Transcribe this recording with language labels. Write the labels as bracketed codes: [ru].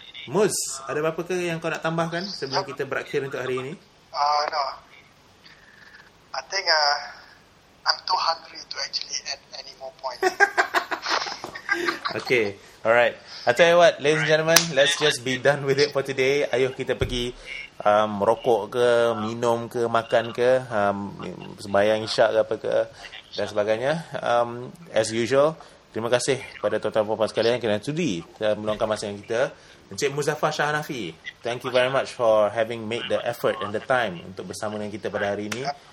[ms] Muz, ada apa ke yang kau nak tambahkan sebelum kita berakhir untuk hari ini? [en] No. I think I'm too hungry to actually add any more points. Okay, alright. I tell you what, ladies and gentlemen, let's just be done with it for today. [ms] Ayuh kita pergi merokok ke, minum ke, makan ke, sembahyang isyak ke apa ke, dan sebagainya. [en] As usual, [ms] terima kasih kepada tuan-tuan puan-puan sekalian kerana sudi meluangkan masa dengan kita. [en] Encik Muzaffar Shah Hanafi, thank you very much for having made the effort and the time [ms] untuk bersama dengan kita pada hari ini.